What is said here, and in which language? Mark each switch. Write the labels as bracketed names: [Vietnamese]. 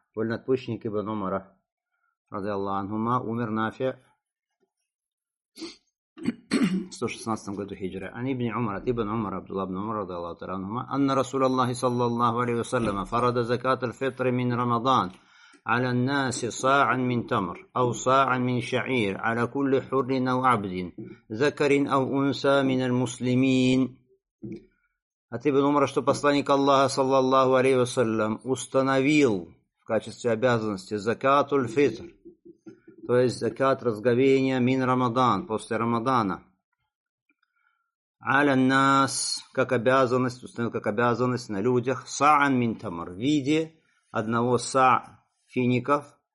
[Russian] Вольноотпущенник ибн Умара. Ради Аллаху анхума. Умер Нафи в 116 году хиджры. Ан ибн Умар, от ибн Умара, Абдулла ибн Умар, ради Аллаху анхума. [Arabic] Анна Расул Аллахи, саллаллаху алейхи ва саллама, фарада закат аль-фитр мин Рамадан. على الناس صاعا من تمر أو صاعا من شعير على كل حر أو عبد ذكر أو أنثى من المسلمين. [Russian] От ибн Умара, что посланник Аллаха, саллаллаху алейхи ва саллям, установил в качестве обязанности закату аль-фитр, то есть закат разговения [Arabic] мин Рамадан, [Russian] после Рамадана. [Arabic] على الناس, [Russian] как обязанность, установил как обязанность на людях, [Arabic] صاعا من تمر, [Russian] в виде одного са фиников,